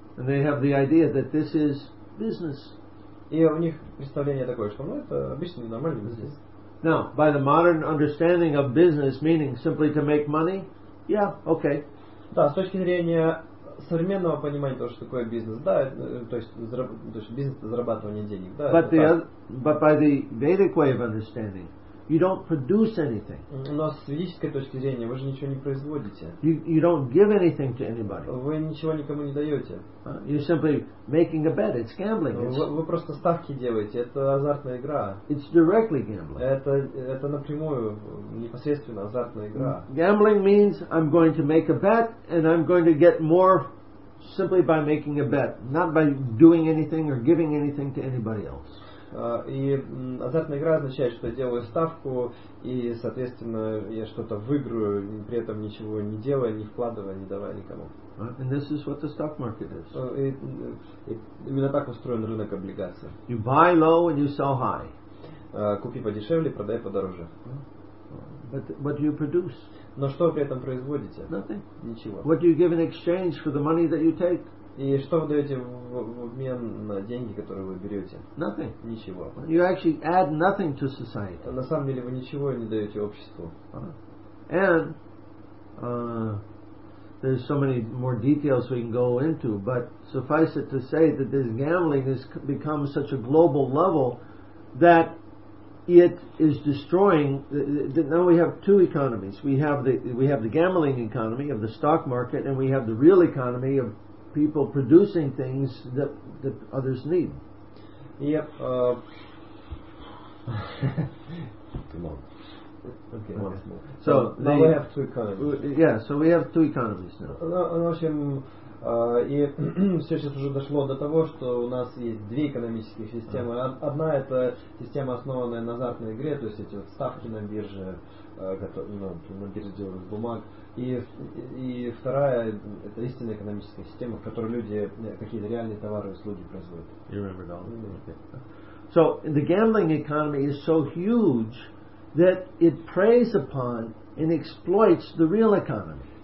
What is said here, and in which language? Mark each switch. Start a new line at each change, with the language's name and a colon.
English: And they have the idea that this is business.
Russian: И у них представление такое, что это обычный нормальный бизнес.
English: Now, by the modern understanding of business, meaning simply to make money, yeah, okay.
Russian: Да, с точки зрения современного понимания того, что такое бизнес, да, то есть бизнес это зарабатывание денег, да.
English: But by the Vedic way of understanding, you don't produce anything.
Russian: Но с ведической точки зрения, вы же ничего не производите.
English: You don't give anything to anybody.
Russian: Вы ничего никому не даете.
English: You're simply making a bet. It's gambling.
Russian: Вы просто ставки делаете. Это азартная игра.
English: It's directly gambling.
Russian: Это напрямую, непосредственно азартная игра.
English: Gambling means I'm going to make a bet and I'm going to get more simply by making a bet, not by doing anything or giving anything to anybody else.
Russian: И азартная игра означает, что я делаю ставку и, соответственно, я что-то выиграю, при этом ничего не делая, не вкладывая, не давая никому.
English: And this is what the stock market is.
Russian: Именно так устроен рынок облигаций.
English: You buy low and you sell high.
Russian: Купи подешевле, продай подороже.
English: But what do you produce?
Russian: Но что вы при этом производите?
English: Nothing.
Russian: Ничего.
English: What do you give in exchange for the money that you take?
Russian: И что вы даете в обмен на деньги, которые вы берете?
English: Nothing.
Russian: Ничего.
English: You actually add nothing to society.
Russian: На самом деле вы ничего не даете обществу.
English: And There's so many more details we can go into, but suffice it to say that this gambling has become such a global level that it is destroying. Now we have two economies. We have the gambling economy of the stock market, and we have the real economy of people producing things that others need. Yep. Come on. Okay. So now we have two economies. Yeah, so we have two economies now.
Russian: В общем, и все сейчас уже дошло до того, что у нас есть две экономические системы. Одна – это система, основанная на азартной игре, то есть эти вот ставки на бирже, на бирже делают бумаг. И вторая – это истинная экономическая система, в которой люди какие-то реальные товары и услуги производят.
English: You remember that? So the gambling economy is so huge that it preys upon and exploits the real economy.